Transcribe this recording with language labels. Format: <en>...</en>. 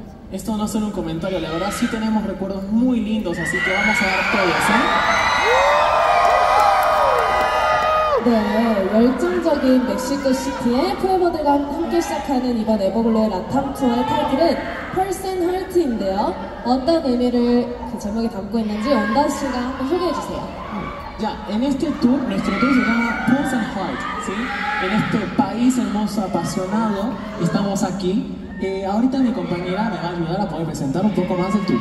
<es>Esto no es solo un comentario, la verdad sí tenemos recuerdos muy lindos, así que vamos a dar todos, ¿eh?</es> <ko>네, 열정적인 멕시코 시티의 포에버들과 함께 시작하는 이번 에버글로의 라탐 투어의 타이틀은 Pulse and Heart인데요. 어떤 의미를 그 제목에 담고 있는지 온다 씨가 한번 소개해 주세요.</ko> <es>Ya, en este tour, nuestro tour se llama Pulse and Heart, ¿sí? En este país hermoso, apasionado, estamos aquí. Ahorita mi compañera me va a ayudar a poder presentar un poco más el tour.</es>